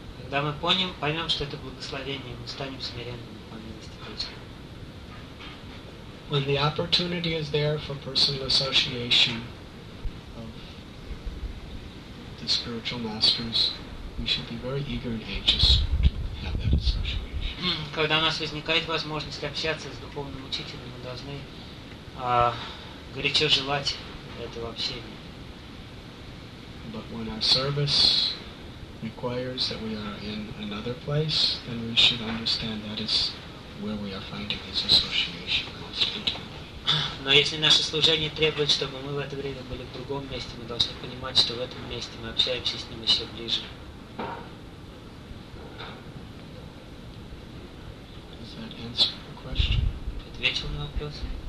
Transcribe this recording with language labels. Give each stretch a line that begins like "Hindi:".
Russian: Когда мы поймем, что это благословение, мы станем смиренными по милости Кришны.
English: When the opportunity is there for personal association of the spiritual masters, we should be very eager and anxious to have that association.
Russian: Когда у нас возникает возможность общаться с духовным учителем, мы должны горячо желать этого общения.
English: But when our service requires that we are in another place, then we should understand that is where we are finding this association.
Russian: Но если наше служение требует, чтобы мы в это время были в другом месте, мы должны понимать, что в этом месте мы общаемся с ним еще ближе.
English: Does that answer the question?
Russian: Ответил на вопрос?